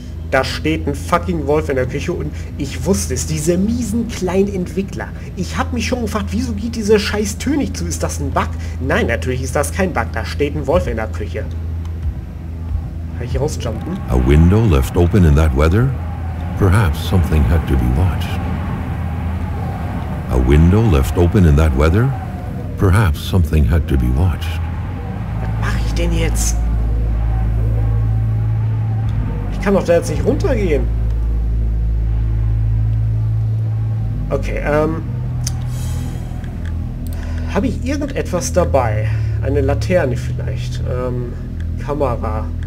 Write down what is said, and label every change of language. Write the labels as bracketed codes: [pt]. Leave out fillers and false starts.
[de] Da steht ein fucking Wolf in der Küche und ich wusste es. Diese miesen kleinen Entwickler. Ich habe mich schon gefragt, wieso geht diese scheiß Tür nicht zu? Ist das ein Bug? Nein, natürlich ist das kein Bug. Da steht ein Wolf in der Küche. gleich hier rausjumpen. [en] A window left open in that weather? Perhaps something had to be watched. A window left open in that weather? Perhaps something had to be watched. [de] Was mache ich denn jetzt? Ich kann doch da jetzt nicht runtergehen. Okay, habe ich irgendetwas dabei? Eine Laterne vielleicht? Kamera?